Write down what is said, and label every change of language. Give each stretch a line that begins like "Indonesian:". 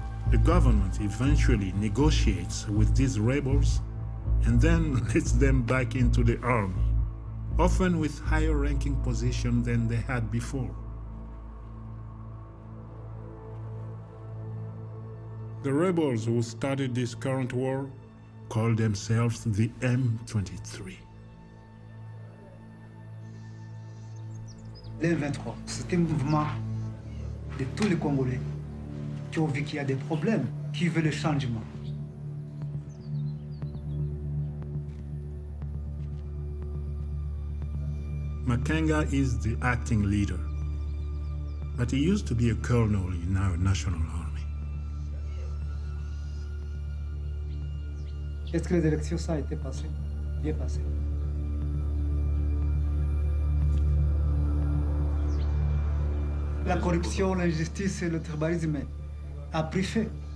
English: The government eventually negotiates with these rebels and then lets them back into the army, often with higher ranking positions than they had before. The rebels who started this current war call themselves the M23.
French: L'M23, c'est un mouvement de tous les Congolais qui ont vu qu'il y a des problèmes, qui veulent le changement.
English: Makenga is the acting leader, but he used to be a colonel in our national army.
French: Est-ce que les élections ça a été passé? Bien passé. La corruption, l'injustice et le tribalisme a pris fait.